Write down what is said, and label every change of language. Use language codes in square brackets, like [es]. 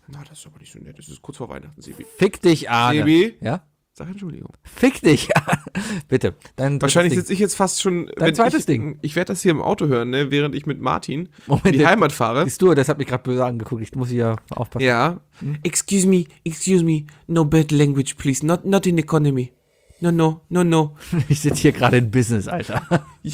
[de] Na, das ist aber nicht so nett. Das ist kurz vor Weihnachten, Sebi. Fick dich, Arne. Sebi? Ja? Sag Entschuldigung. Fick dich, bitte. Dein wahrscheinlich sitze ich jetzt fast schon. Dein zweites Ding. Ich werde das hier im Auto hören, ne, während ich mit Martin in die Heimat fahre. Bist du, das hat mich gerade böse angeguckt. Ich muss hier aufpassen. Ja. Hm? [en] Excuse me, no bad language, please. Not in economy. No. [de] Ich sitze hier gerade in Business, Alter.